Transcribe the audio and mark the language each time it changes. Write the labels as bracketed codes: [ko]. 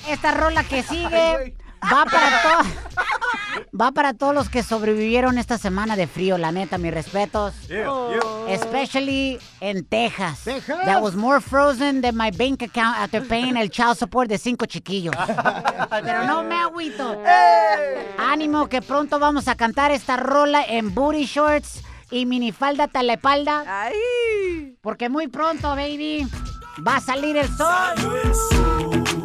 [es] Esta rola que sigue va para todos los que sobrevivieron esta semana de frío, la neta, mis respetos. [en] Especially in Texas. Texas. That was more frozen than my bank account after paying el child support [es] de 5 chiquillos. Pero no me agüito. Ánimo que pronto vamos a cantar esta rola en [en] booty shorts [es] y minifalda hasta la espalda. Ay. Porque muy pronto, baby, va a salir el sol.